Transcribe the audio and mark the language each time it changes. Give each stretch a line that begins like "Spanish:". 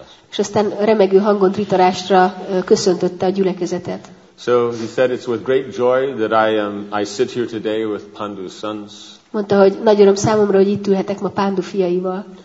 Hungarian: És aztán remegő hangon Dhritarashtra köszöntötte a gyülekezetet.
English: So he said, "It's with great joy that I sit here today with Pandu's sons."
Hungarian: Mondta, hogy nagy öröm számomra, hogy itt ülhetek ma Pandu fiaival.